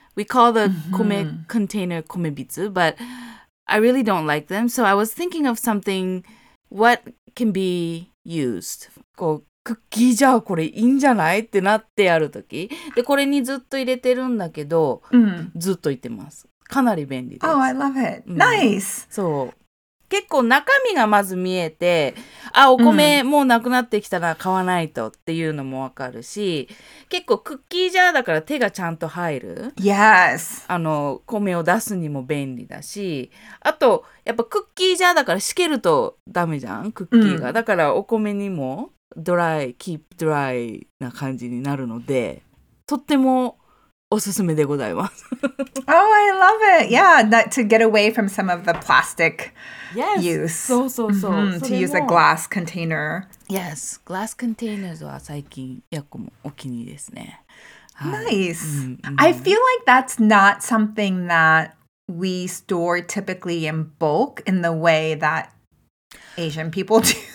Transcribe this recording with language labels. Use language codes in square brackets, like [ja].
[en] We call the 米 container 米びつ、but I really don't like them. So I was thinking of something what can be used. [ja] こうクッキーじゃあこれいいんじゃないってなってあるとき。で、これにずっと入れてるんだけど、ずっと言ってます。かなり便利です。 [en] Oh, I love it. Nice! [ja] そう。結構中身がまず見えて、あ、お米もうなくなってきたら買わないとっていうのもわかるし、結構クッキージャーだから手がちゃんと入る。 [en] Yes! [ja] あの、米を出すにも便利だし、あと、やっぱクッキージャーだからしけるとダメじゃん、クッキーが。だからお米にもドライ、キープドライな感じになるので、とってもおすすめでございます。 [en] Oh, I love it! Yeah, that, to get away from some of the plastic use. [ja] そうそうそう。 [en] To use a glass container. [ja] Yes, glass containers は最近、やっこもお気に入りですね。 [en] Nice! I feel like that's not something that we store typically in bulk in the way that Asian people do.